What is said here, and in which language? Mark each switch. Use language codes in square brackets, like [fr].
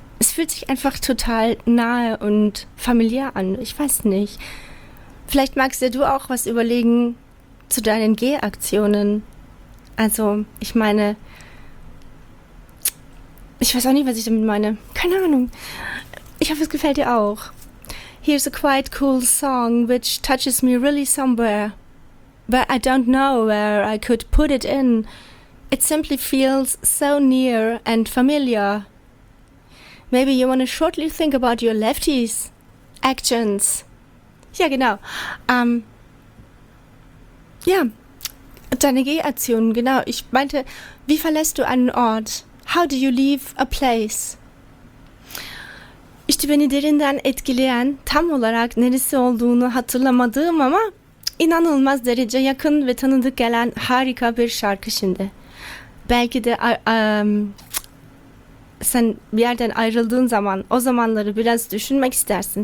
[de] Es fühlt sich einfach total nahe und familiär an. Ich weiß nicht. Vielleicht magst du auch was überlegen zu deinen Gehaktionen. Also, ich meine, ich weiß auch nicht, was ich damit meine. Keine Ahnung. Ich hoffe, es gefällt dir auch. [en] Here's a quite cool song, which touches me really somewhere. But I don't know where I could put it in. It simply feels so near and familiar. Maybe you wanna shortly think about your lefties' actions. [de] Ja, genau. Deine Gehaktionen, genau. Ich meinte, wie verlässt du einen Ort? [en] How do you leave a place? [tr] İşte beni derinden etkileyen, tam olarak neresi olduğunu hatırlamadığım ama inanılmaz derece yakın ve tanıdık gelen harika bir şarkı şimdi. Belki de sen bir yerden ayrıldığın zaman o zamanları biraz düşünmek istersin.